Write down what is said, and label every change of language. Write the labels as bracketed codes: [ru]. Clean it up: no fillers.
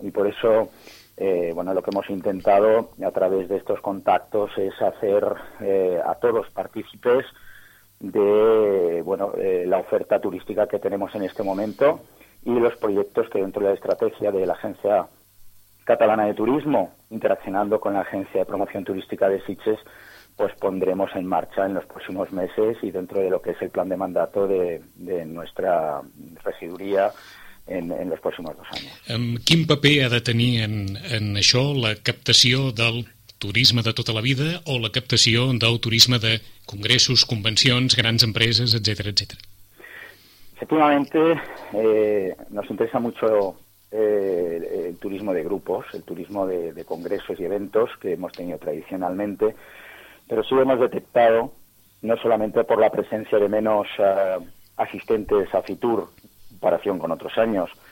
[es] Y por eso, bueno, lo que hemos intentado a través de estos contactos es hacer a todos partícipes de, bueno, la oferta turística que tenemos en este momento y los proyectos que dentro de la estrategia de la Agencia Catalana de Turismo interaccionando con la Agencia de Promoción Turística de Sitges, pues pondremos en marcha en los próximos meses y dentro de lo que es el plan de mandato de nuestra regiduría en los próximos dos años. [ca] ¿Quin paper ha de tenir en això la captació del turisme de tota la vida o la captació del turisme de congressos, convencions, grans empreses, etcètera, etcètera? [es] Efectivamente, nos interesa mucho el turismo de grupos, el turismo de congresos y eventos que hemos tenido tradicionalmente, pero sí hemos detectado, no solamente por la presencia de menos asistentes a Fitur en comparación con otros años,